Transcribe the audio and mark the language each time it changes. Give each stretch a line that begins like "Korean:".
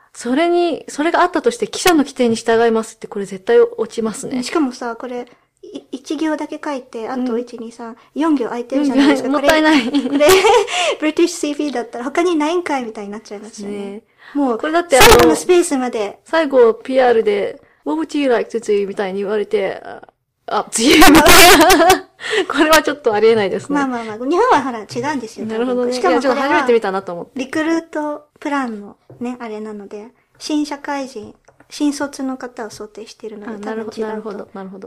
Japanese: それがあったとして記者の規定に従いますってこれ絶対落ちますね。しかもさ、これ、一行だけ書いて、あと1、うん、2、3、4行空いてるじゃないですか。もったいない。これ、ブリティッシュ CV だったら他にないんかいみたいになっちゃいますね。もう、これだって最後のスペースまで。最後 PR で、
English: What would you like to do?
Japanese: みたいに言われて、あ、次みたいな。これはちょっとありえないですね。まあまあまあ、日本はほら違うんですよ。なるほどね。しかもこれはちょっと初めて見たなと思って。リクルートプランのね、あれなので、新社会人。新卒の方を想定しているので、なるほど、なるほど、なるほど。